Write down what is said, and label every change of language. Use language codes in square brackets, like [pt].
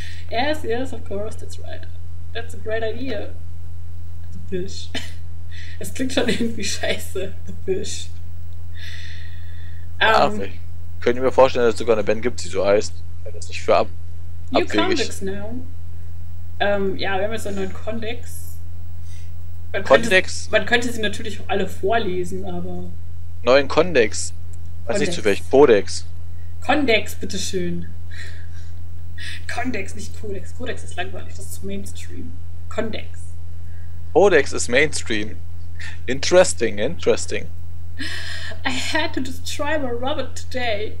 [en] Yes, yes, of course, that's right. That's a great idea. The Fish. [de] Es klingt schon irgendwie scheiße, The Fish. Ich könnte mir vorstellen, dass es sogar eine Band gibt, die so heißt. Weil das nicht für abwegig. [en] New Context now. [de] Ja, wir haben jetzt einen neuen Context. Man könnte sie natürlich auch alle vorlesen, aber... Neuen Context? Weiß nicht, zu welchem Codex. Condex, bitteschön. Condex, nicht Codex. Codex ist langweilig, das ist Mainstream. Condex. Codex ist Mainstream. [en] Interesting, interesting. I had to destroy my robot today.